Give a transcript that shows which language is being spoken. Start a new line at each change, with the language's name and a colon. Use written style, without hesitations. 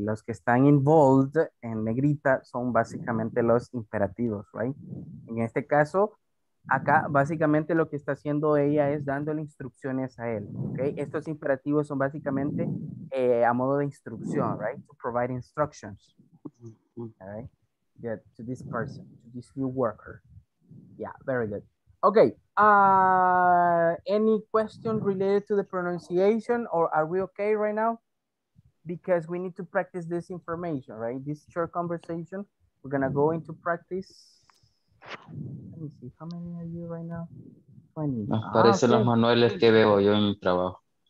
Spanish: Los que están in bold en negrita son básicamente los imperativos, right? En este caso, acá básicamente lo que está haciendo ella es dándole instrucciones a él, okay? Estos imperativos son básicamente a modo de instrucción, right?
English: To provide instructions, all right? Yeah, to this person, to this new worker. Yeah, very good. Okay, any question related to the pronunciation or are we okay right now? Because we need to practice this information, right? This short conversation, we're gonna go into practice. Let me see, how many are you right now? 20.
Spanish: Me parece los manuales que veo yo en mi trabajo.